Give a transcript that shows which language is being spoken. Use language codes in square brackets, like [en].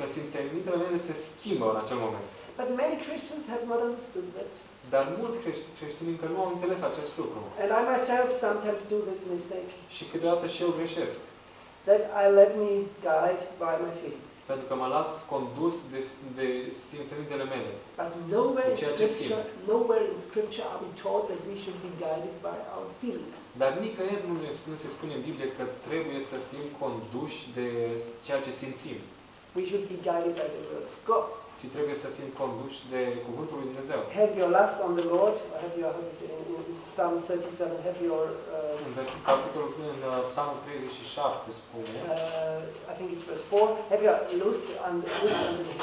[ro] Că simțelile mele se schimbă în acel moment. [en] But many Christians have not understood that. [ro] Dar mulți creștini încă nu au înțeles acest lucru. [en] And I myself sometimes do this mistake. [ro] Și câteodată și eu greșesc. [en] That I let me guide by my feelings. [ro] Pentru că mă las condus de simțelintele mele. [en] But nowhere in Scripture, are we taught that we should be guided by our feelings. [ro] Dar nicăieri nu se spune în Biblie că trebuie să fim conduși de ceea ce simțim. [en] We should be guided by the word of God. [ro] Ci trebuie să fim conduși de cuvântul lui Dumnezeu. [en] Have your lust on the Lord, have your Psalm 37, have your [ro] în Psalmul 37 spune. [en] I think it's verse 4. Have your lust on the Lord.